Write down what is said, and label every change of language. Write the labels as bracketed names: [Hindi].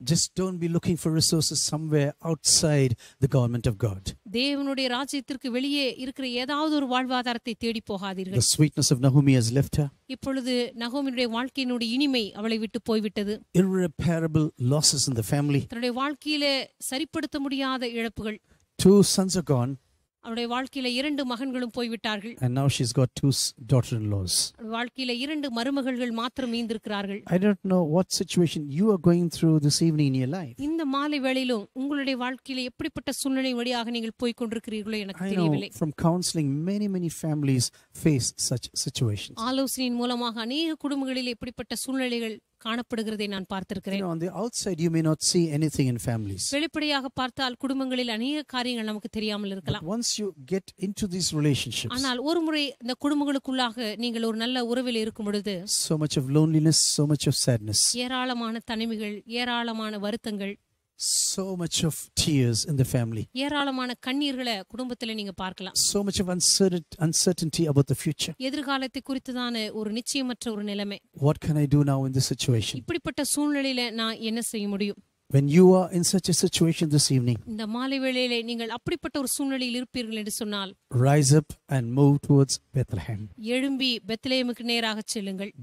[English] just don't be looking for resources somewhere outside the government of god [Tamil] தேவனுடைய ராஜ்யத்திற்கு வெளியே இருக்கிற ஏதாவது ஒரு வாழ்வாதாரத்தை தேடி போகாதீர்கள் [English] the sweetness of Naomi has left her [Tamil] இப்பொழுது நகோமியுடைய வாழ்க்கையினுடைய இனிமை அவளை விட்டு போய்விட்டது [English] irreparable losses in the family [Tamil] தன்னுடைய வாழ்க்கையிலே சரிப்படுத்த முடியாத இழப்புகள் [English] two sons are gone [Tamil] அவருடைய வாழ்க்கையில இரண்டு மகன்களும் போய்விட்டார்கள் [English] and now she's got two daughter-in-laws [Tamil] வாழ்க்கையில இரண்டு மருமகள்கள் மட்டும் மீந்திருக்கிறார்கள் [English] I don't know what situation you are going through this evening in your life [Tamil] இந்த மாலை வேளையிலும் உங்களுடைய வாழ்க்கையில எப்படிப்பட்ட சூழ்நிலை வழியாக நீங்கள் போய் கொண்டிருக்கிறீர்களோ எனக்கு தெரியவில்லை [English] I know from counseling many families face such situations [Tamil] ஆலோசனையின் மூலமாக அநேக குடும்பங்களில் எப்படிப்பட்ட சூழ்நிலைகள் காணப்படுகிறதை நான் பார்த்திருக்கிறேன் [English] on the outside you may not see anything in families [Tamil] வெளிப்படையாக பார்த்தால் குடும்பங்களில் அநேக காரியங்கள் நமக்கு தெரியாமல் இருக்கலாம் [English] once you get into these relationships [Tamil] ஆனால் ஒருமுறை இந்த குடும்பங்களுக்குள்ளாக நீங்கள் ஒரு நல்ல உறவில் இருக்கும் பொழுது [English] so much of loneliness so much of sadness [Tamil] ஏராளமான தனிமைகள் ஏராளமான வருத்தங்கள் [English] So much of tears in the family. [Tamil] ஏராளமான கண்ணீர்களை குடும்பத்திலே நீங்க பார்க்கலாம். [English] So much of uncertainty about the future. [Tamil] எதிர்காலத்தை குறித்துதான ஒரு நிச்சயமற்ற ஒரு நிலைமை. [English] What can I do now in this situation? [Tamil] இப்படிப்பட்ட சூழ்நிலையில நான் என்ன செய்ய முடியும்? [English] When you are in such a situation this evening, [Tamil] இந்த மாலை வேளையிலே நீங்கள் அப்படிப்பட்ட ஒரு சூழ்நிலையில் இருப்பீர்கள் என்று சொன்னால், [English] rise up and move towards Bethlehem. [Tamil] எழும்பி பெத்லகேமுக்கு நேராக செல்லுங்கள்.